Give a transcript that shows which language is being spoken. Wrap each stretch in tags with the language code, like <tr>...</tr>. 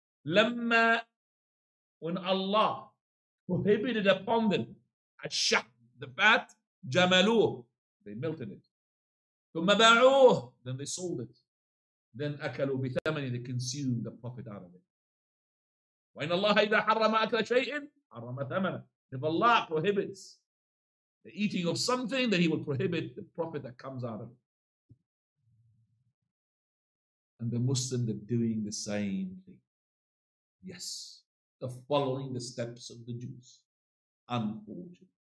<en>لما, when Allah prohibited upon them الشح, the fat, جملوه, they melted it.</en> <ar>ثم باعوه,</ar> <en>then they sold it. Then</en> <ar>أكلوا بثمن,</ar> <en>they consumed the profit out of it.</en> <ar>وإن الله إذا حرم أكل شيء حرم ثمن.</ar> <en>If Allah prohibits the eating of something, then he will prohibit the profit that comes out of it. And the Muslims are doing the same thing. Yes, they're following the steps of the Jews. Unfortunately.</en>